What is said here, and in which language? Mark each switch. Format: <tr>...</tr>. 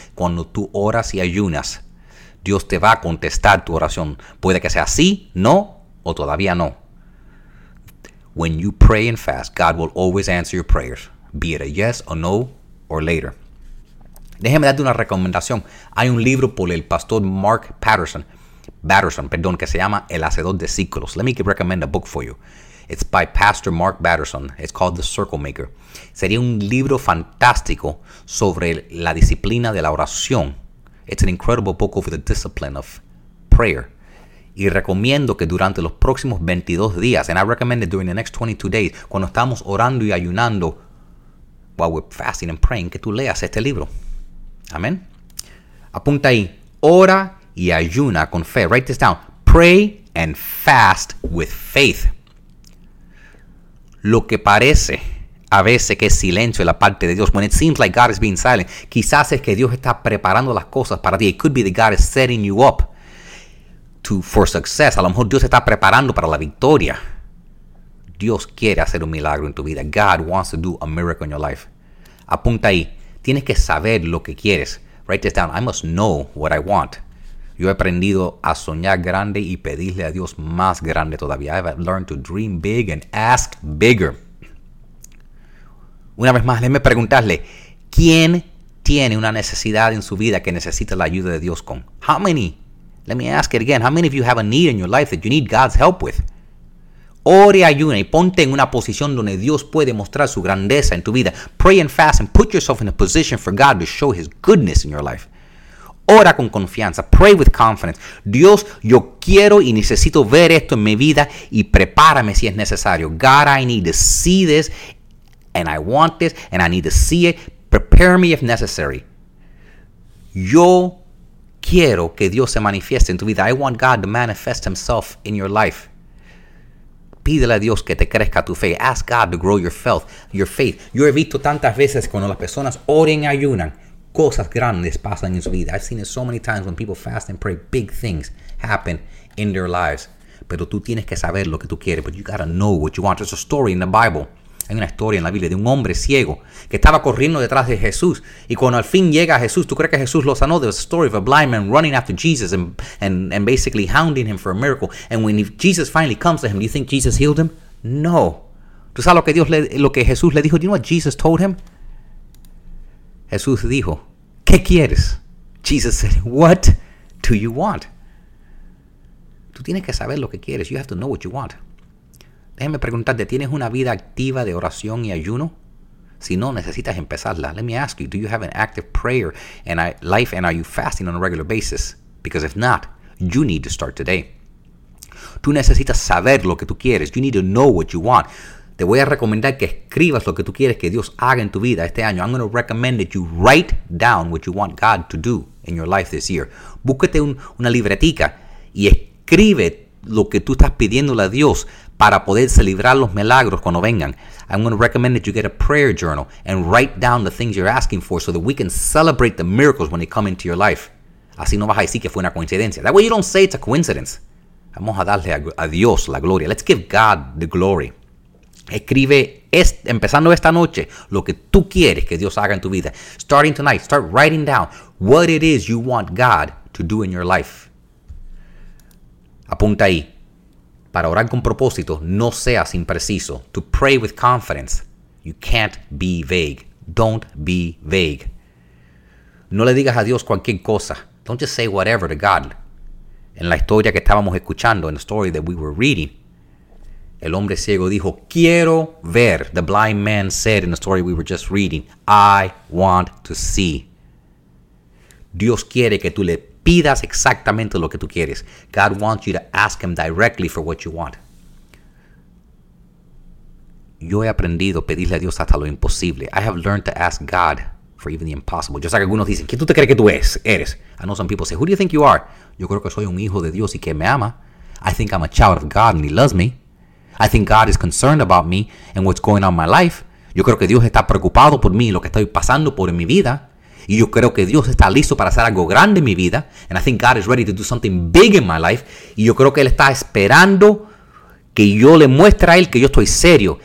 <es>Cuando tú oras y ayunas, Dios te va a contestar tu oración. Puede que sea sí, no, o todavía no.</es> <en>When you pray and fast, God will always answer your prayers, be it a yes or no or later.</en> <es>Déjeme darte una recomendación. Hay un libro por el pastor Mark Batterson, que se llama El Hacedor de Círculos.</es> <en>Let me recommend a book for you. It's by Pastor Mark Batterson. It's called The Circle Maker.</en> <es>Sería un libro fantástico sobre la disciplina de la oración.</es> <en>It's an incredible book over the discipline of prayer.</en> <es>Y recomiendo que durante los próximos 22 días,</es> <en>and I recommend it during the next 22 days,</en> <es>cuando estamos orando y ayunando,</es> <en>while we're fasting and praying,</en> <es>que tú leas este libro. Amén. Apunta ahí. Ora y ayuna con fe.</es> <en>Write this down. Pray and fast with faith.</en> <es>Lo que parece a veces que es silencio de la parte de Dios.</es> <en>When it seems like God is being silent.</en> <es>Quizás es que Dios está preparando las cosas para ti.</es> <en>It could be that God is setting you up for success.</en> <es>A lo mejor Dios está preparando para la victoria. Dios quiere hacer un milagro en tu vida.</es> <en>God wants to do a miracle in your life.</en> <es>Apunta ahí. Tienes que saber lo que quieres.</es> <en>Write this down. I must know what I want.</en> <es>Yo he aprendido a soñar grande y pedirle a Dios más grande todavía.</es> <en>I've learned to dream big and ask bigger.</en> <es>Una vez más, déjeme preguntarle, ¿quién tiene una necesidad en su vida que necesita la ayuda de Dios con?</es> <en>How many? Let me ask it again. How many of you have a need in your life that you need God's help with?</en> <es>Ore, ayuna y ponte en una posición donde Dios puede mostrar su grandeza en tu vida.</es> <en>Pray and fast and put yourself in a position for God to show His goodness in your life.</en> <es>Ora con confianza.</es> <en>Pray with confidence.</en> <es>Dios, yo quiero y necesito ver esto en mi vida y prepárame si es necesario.</es> <en>God, I need to see this and I want this and I need to see it. Prepare me if necessary.</en> <es>Yo quiero que Dios se manifieste en tu vida.</es> <en>I want God to manifest Himself in your life.</en> <es>Pídele a Dios que te crezca tu fe.</es> <en>Ask God to grow your faith.</en> <es>Yo he visto tantas veces cuando las personas oren y ayunan, cosas grandes pasan en su vida.</es> <en>I've seen it so many times when people fast and pray, big things happen in their lives.</en> <es>Pero tú tienes que saber lo que tú quieres,</es> <en>but you gotta know what you want. There's a story in the Bible</en> <es>Hay una historia en la Biblia de un hombre ciego que estaba corriendo detrás de Jesús. Y cuando al fin llega Jesús, ¿tú crees que Jesús lo sanó?</es> <en>There's a story of a blind man running after Jesus and basically hounding him for a miracle. And when Jesus finally comes to him, do you think Jesus healed him?</en> <es>No. ¿Tú sabes lo que Jesús le dijo?</es> <en>Do you know what Jesus told him?</en> <es>Jesús dijo, ¿qué quieres?</es> <en>Jesus said, what do you want?</en> <es>Tú tienes que saber lo que quieres.</es> <en>You have to know what you want.</en> <es>Déjame preguntarte, ¿tienes una vida activa de oración y ayuno? Si no, necesitas empezarla.</es> <en>Let me ask you, do you have an active prayer and life and are you fasting on a regular basis? Because if not, you need to start today.</en> <es>Tú necesitas saber lo que tú quieres.</es> <en>You need to know what you want.</en> <es>Te voy a recomendar que escribas lo que tú quieres que Dios haga en tu vida este año.</es> <en>I'm going to recommend that you write down what you want God to do in your life this year.</en> <es>Búscate una libretica y escribe lo que tú estás pidiéndole a Dios para poder celebrar los milagros cuando vengan.</es> <en>I'm going to recommend that you get a prayer journal and write down the things you're asking for so that we can celebrate the miracles when they come into your life.</en> <es>Así no vas a decir que fue una coincidencia.</es> <en>That way you don't say it's a coincidence.</en> <es>Vamos a darle a Dios la gloria.</es> <en>Let's give God the glory.</en> <es>Escribe, empezando esta noche, lo que tú quieres que Dios haga en tu vida.</es> <en>Starting tonight, start writing down what it is you want God to do in your life.</en> <es>Apunta ahí. Para orar con propósito, no seas impreciso.</es> <en>To pray with confidence, you can't be vague. Don't be vague.</en> <es>No le digas a Dios cualquier cosa.</es> <en>Don't just say whatever to God.</en> <es>En la historia que estábamos escuchando,</es> <en>in the story that we were reading,</en> <es>el hombre ciego dijo, quiero ver.</es> <en>The blind man said in the story we were just reading, I want to see.</en> <es>Dios quiere que tú le pidas exactamente lo que tú quieres.</es> <en>God wants you to ask him directly for what you want.</en> <es>Yo he aprendido a pedirle a Dios hasta lo imposible.</es> <en>I have learned to ask God for even the impossible.</en> <es>Yo sé que algunos dicen, ¿quién tú te crees que tú eres?</es> <en>I know some people say, who do you think you are?</en> <es>Yo creo que soy un hijo de Dios y que me ama.</es> <en>I think I'm a child of God and he loves me. I think God is concerned about me and what's going on in my life.</en> <es>Yo creo que Dios está preocupado por mí y lo que estoy pasando por en mi vida. Y yo creo que Dios está listo para hacer algo grande en mi vida.</es> <en>And I think God is ready to do something big in my life.</en> <es>Y yo creo que Él está esperando que yo le muestre a Él que yo estoy serio.</es>